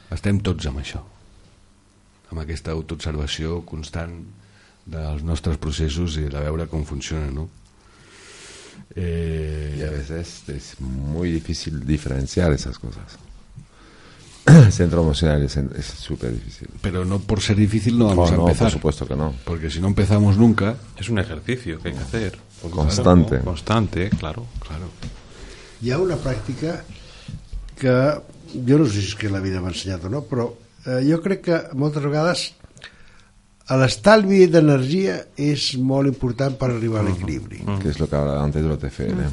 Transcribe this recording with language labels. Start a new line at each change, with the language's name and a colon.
Catalan: Estem tots amb això, amb aquesta autoobservació constant dels nostres processos i de veure com funciona, no?
Spanish: Y a veces es muy difícil diferenciar esas cosas. Centro emocional es súper difícil. Pero no por ser difícil no vamos a empezar. Por supuesto que no. Porque si no empezamos nunca. Es un ejercicio que hay que hacer. Constante. Claro, ¿no? Constante, claro, claro.
Catalan: Hi ha una pràctica que jo no sé si és que la vida m'ha ensenyat o no, però jo crec que moltes vegades l'estalvi d'energia és molt important per arribar a l'equilibri. Que és el que abans ho té fer.